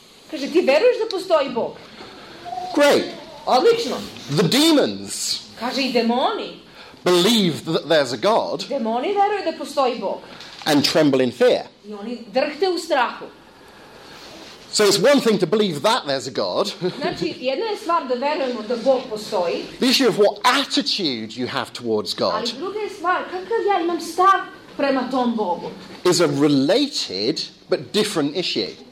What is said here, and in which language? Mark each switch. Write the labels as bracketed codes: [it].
[sr] Kaže, ti veruješ da postoji Bog? [en] Great. [sr] Odlično. [en] The demons, [sr] kaže, i demoni, [en] believe that there's a God, [sr] demoni veruju da postoji Bog, [en] and tremble in fear. [sr] I oni drhte u strahu. [en] So it's one thing to believe that there's a God. [sr] Znači, jedna je stvar da verujemo da Bog postoji. [en] The issue of what attitude you have towards God. [sr] Ali druga je stvar, kakav ja imam stav prema tom Bogu. [en] Is a related but different issue.